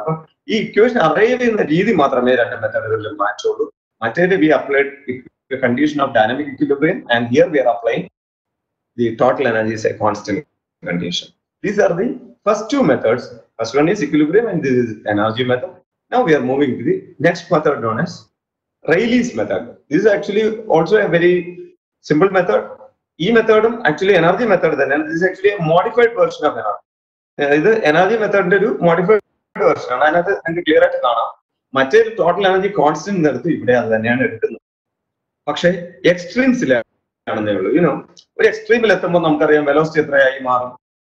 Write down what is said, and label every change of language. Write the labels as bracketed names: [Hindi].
[Malayalam] അപ്പൊ ഈ ഇക്വേഷൻ അറേവ് ചെയ്യുന്ന രീതി മാത്രമേ രണ്ട് മെത്തേഡുകളിലും മാറ്റുള്ളൂ. [English] മറ്റേത് we applied condition of dynamic equilibrium and here we are apply the total energy is a constant condition. These are the first two methods. First one is equilibrium and this is energy method. Now we are moving to the next method known as Rayleigh's method. This is actually also a very simple method. [Malayalam] ഈ മെത്തേഡും actually energy method തന്നെയാണ്. [English] This actually modified version of energy. [Malayalam] ഇത് energy മെത്തേഡിന്റെ ഒരു modified version ആണ്. അതിനകത്ത് നമുക്ക് clear ആയിട്ട് കാണാം, മറ്റേ ഒരു ടോട്ടൽ എനർജി കോൺസ്റ്റന്റ് എടുത്ത് ഇവിടെ അത് തന്നെയാണ് എടുക്കുന്നത്. പക്ഷേ എക്സ്ട്രീംസിലാണെന്നേ ഉള്ളൂ. ഇനോ ഒരു എക്സ്ട്രീമിൽ എത്തുമ്പോൾ നമുക്കറിയാം വെലോസിറ്റി എത്രയായി മാറും.